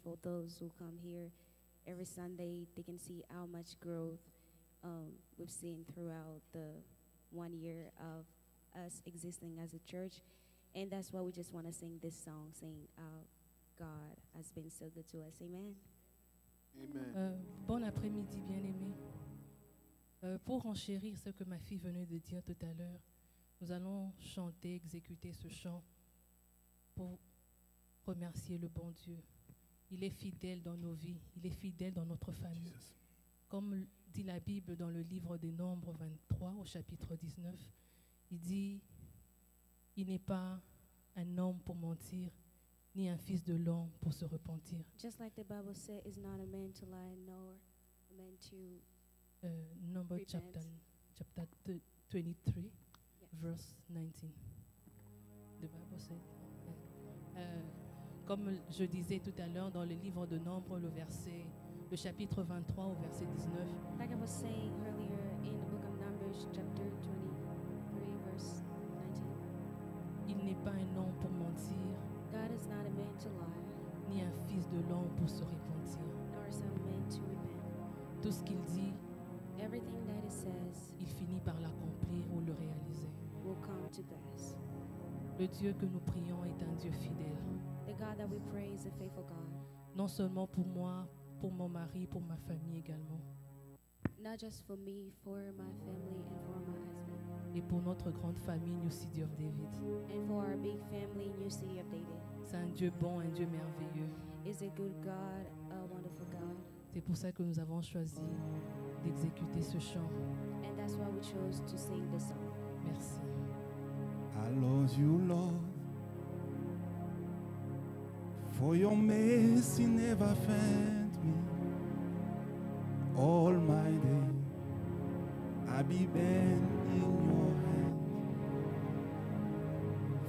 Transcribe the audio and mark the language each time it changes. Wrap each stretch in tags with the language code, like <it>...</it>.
<en>For those who come here every Sunday, they can see how much growth we've seen throughout the 1 year of us existing as a church. And that's why we just want to sing this song, saying how God has been so good to us. Amen. Amen.</en> <fr>Bon après-midi, bien-aimés. Pour enchérir ce que ma fille venait de dire tout à l'heure, nous allons chanter, exécuter ce chant pour remercier le bon Dieu. Il est fidèle dans nos vies, il est fidèle dans notre famille. Jesus. Comme dit la Bible dans le livre des Nombres 23, au chapitre 19, il dit, il n'est pas un homme pour mentir, ni un fils de l'homme pour se repentir.</fr> <en>Just like the Bible says, it's not a man to lie, nor a man to Numbers chapter 23, yeah. Verse 19. The Bible says,</en> <fr>comme je disais tout à l'heure dans le livre de Nombres, le chapitre 23, au verset 19.</fr> <en>Like I was saying earlier in the book of Numbers, chapter 23, verse 19.</en> <fr>Il n'est pas un homme pour mentir.</fr> <en>God is not a man to lie,</en> <fr>ni un fils de l'homme pour se repentir.</fr> <en>Nor is a man to repent.</en> <fr>Tout ce qu'il dit,</fr> <en>everything that it says,</en> <fr>il finit par l'accomplir ou le réaliser.</fr> <en>Will come to pass.</en> <fr>Le Dieu que nous prions est un Dieu fidèle.</fr> <en>The God that we pray is a faithful God.</en> <fr>Non seulement pour moi, pour mon mari, pour ma famille également.</fr> <en>Not just for me, for my family and for my husband.</en> <fr>Et pour notre grande famille, New City of David.</fr> <en>And for our big family, New City of David.</en> <fr>C'est un Dieu bon, un Dieu merveilleux.</fr> <en>Is a good God, a wonderful God.</en> <fr>C'est pour ça que nous avons choisi d'exécuter ce chant.</fr> <en>And that's why we chose to sing this song.</en> <fr>Merci.</fr> <en>I love you, Lord. For your mercy never failed me. All my day I be bent in your hand.</en>